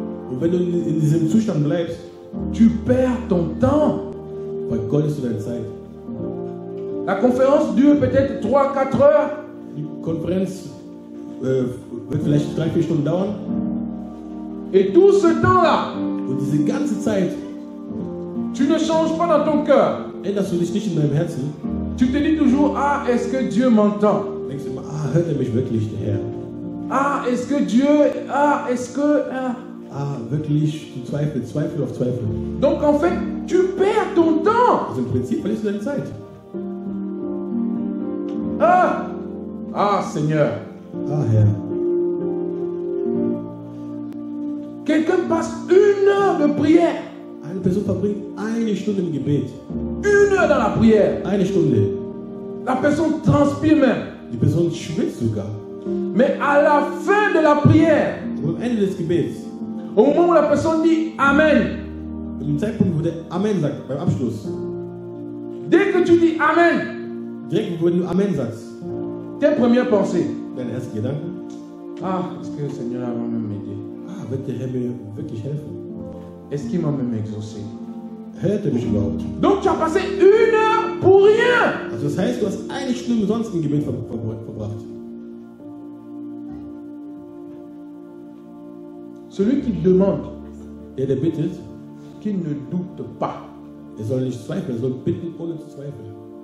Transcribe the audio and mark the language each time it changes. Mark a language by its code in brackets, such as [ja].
[de] und wenn du in diesem Zustand bleibst, [fr] tu perds ton temps. [de] Vergeudest du deine Zeit. [fr] La conférence dure peut-être 3-4 heures. [de] Die Konferenz wird vielleicht 3-4 Stunden dauern. [fr] Et tout ce temps-là, [de] und diese ganze Zeit, [fr] tu ne changes pas dans ton cœur. [de] Änderst du dich nicht in deinem Herzen? [fr] Tu te dis toujours, ah, est-ce que Dieu m'entend? [de] Denkst du immer, ah, hört er mich wirklich, der Herr? [fr] Ah, est-ce que Dieu, ah, est-ce que, ah. [de] Ah, wirklich, du zweifelst, Zweifel auf Zweifel. [fr] Donc en fait, tu perds ton temps. [de] Also im Prinzip verlierst du deine Zeit. [fr] Ah, ah, Seigneur. [de] Ah, Herr. [fr] Quelqu'un passe une heure de prière. [de] Eine Person verbringt eine Stunde im Gebet. [fr] Une heure dans la prière. [de] Eine Stunde. [fr] La personne transpire même. [de] Die Person schwitzt sogar. [fr] Mais à la fin de la prière. [de] Am Ende des Gebets. [fr] Au moment où la personne dit Amen. [de] Im Zeitpunkt, wo der Amen sagt, beim Abschluss. [fr] Dès que tu dis Amen. [de] Direkt, wo du Amen sagst. [fr] Tes premières pensées. [de] Dein erster Gedanke. [fr] Ah, est-ce que le Seigneur va même m'aider? [de] Ah, wird der Herr mir wirklich helfen? [fr] Est-ce qu'il m'a même exaucé? [de] Hörte mich überhaupt. [fr] Donc tu as passé une heure pour rien. [de] Also das heißt, du hast eine Stunde sonst im Gebet verbracht. [fr] Celui qui demande, [de] der der bittet, [fr] qu'il ne doute pas. [de] Er soll nicht zweifeln, er soll bitten ohne zu zweifeln.